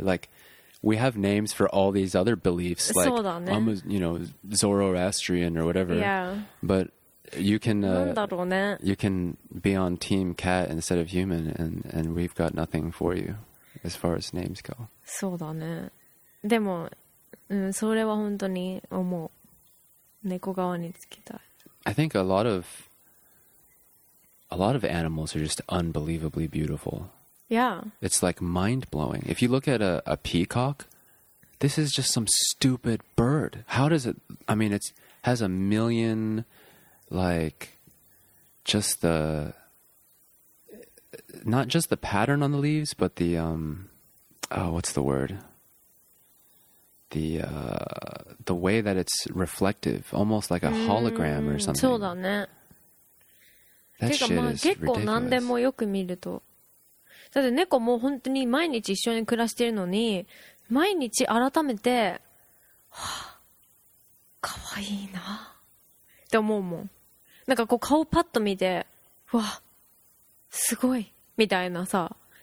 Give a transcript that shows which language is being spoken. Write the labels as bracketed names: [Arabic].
[English] Like, we have names for all these other beliefs. Like, I'm a, you know, Zoroastrian or whatever. Yeah. But you can, you can be on team cat instead of human, and we've got nothing for you as far as names go. [Japanese] そうだね。でも、それは本当に思う。猫側につきたい。 [English] I think a lot of animals are just unbelievably beautiful. Yeah. It's like mind-blowing. If you look at a peacock, this is just some stupid bird. How does it... I mean, it has a million, like, just the... Not just the pattern on the leaves, but the... Oh, what's the word? The way that it's reflective, almost like a hologram or something. [Japanese] そうだね。 [English] That shit is ridiculous. [Japanese] 結構何でもよく見ると。だって猫も本当に毎日一緒に暮らしてるのに、毎日改めて、かわいいなって思うもん。なんかこう顔パッと見て、わ、すごいみたいなさ。